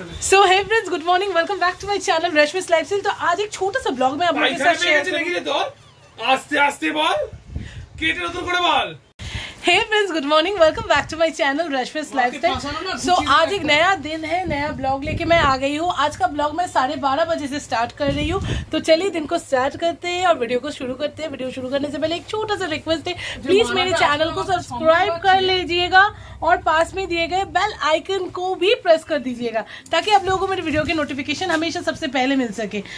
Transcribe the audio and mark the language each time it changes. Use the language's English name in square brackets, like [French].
[English] So hey friends, good morning. Welcome back to my channel, Reshmi's Lifestyle. [Hindi] तो आज एक छोटा सा ब्लॉग मैं आप लोगों के साथ शेयर करूँगी. आस्ते बाल. केटे उधर कोड़े बाल. [English] Hey friends, good morning. Welcome back to my channel, Rashmi's Lifestyle. [Hindi] So, आज एक नया दिन है, नया ब्लॉग लेके मैं आ गई हूँ. आज का ब्लॉग मैं 12:30 बजे से स्टार्ट कर रही हूँ. तो चलिए दिन को स्टार्ट करते हैं और वीडियो को शुरू करते हैं. वीडियो शुरू करने से पहले एक छोटा सा रिक्वेस्ट है, प्लीज मेरे चैनल को सब्सक्राइब कर लीजिएगा और पास में दिए गए बेल आइकन को भी प्रेस कर दीजिएगा ताकि आप लोगों को मेरे वीडियो के नोटिफिकेशन हमेशा सबसे पहले मिल सके.